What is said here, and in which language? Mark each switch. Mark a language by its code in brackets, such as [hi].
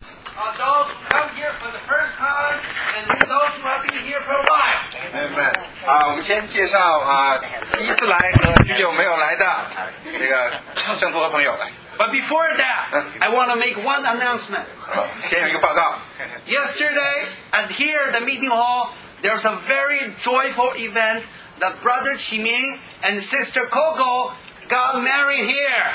[en] on those who come here for the first time and those who have been here for a while. Amen. [zh] 好，我们先介绍第一次来和许久没有来的这个圣徒和朋友来。 [en] But before that, I want to make one announcement. [zh] 先有一个报告。 [en] Yesterday, and here at the meeting hall, there's a very joyful event that Brother Qi Ming and Sister Coco got married here.